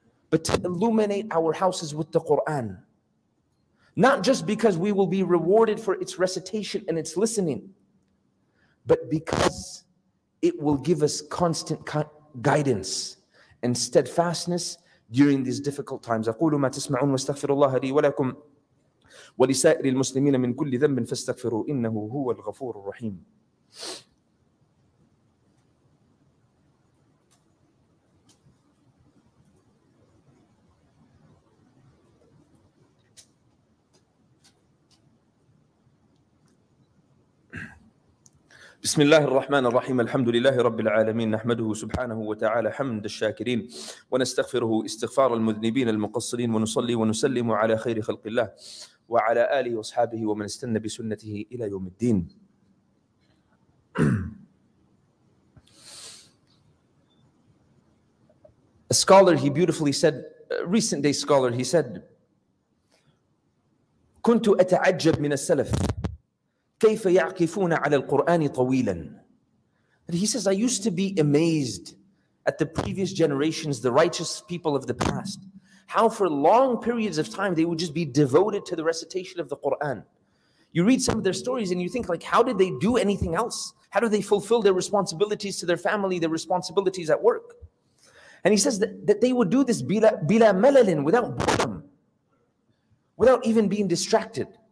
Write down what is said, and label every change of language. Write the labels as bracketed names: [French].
[English] But to illuminate our houses with the Quran. Not just because we will be rewarded for its recitation and its listening, but because it will give us constant guidance and steadfastness during these difficult times. [Arabic] أقول ما تسمعون واستغفر الله لي ولكم ولسائر المسلمين من كل ذنب فاستغفروا إنه هو الغفور الرحيم. بسم الله الرحمن الرحيم الحمد لله رب العالمين نحمده سبحانه وتعالى حمد الشاكرين ونستغفره استغفار المذنبين المقصرين ونصلي ونسلم على خير خلق الله وعلى آله وصحبه ومن استنى بسنته إلى يوم الدين [English] A scholar, he beautifully said, a recent day scholar, he said, [Arabic] كنت أتعجب من السلف كيف يعكفون على القرآن طويلا [English] And he says, I used to be amazed at the previous generations, the righteous people of the past. How for long periods of time they would just be devoted to the recitation of the Quran. You read some of their stories and you think like, how did they do anything else? How do they fulfill their responsibilities to their family, their responsibilities at work? And he says that they would do this [Arabic] bila malalin, [English] without boredom, without even being distracted.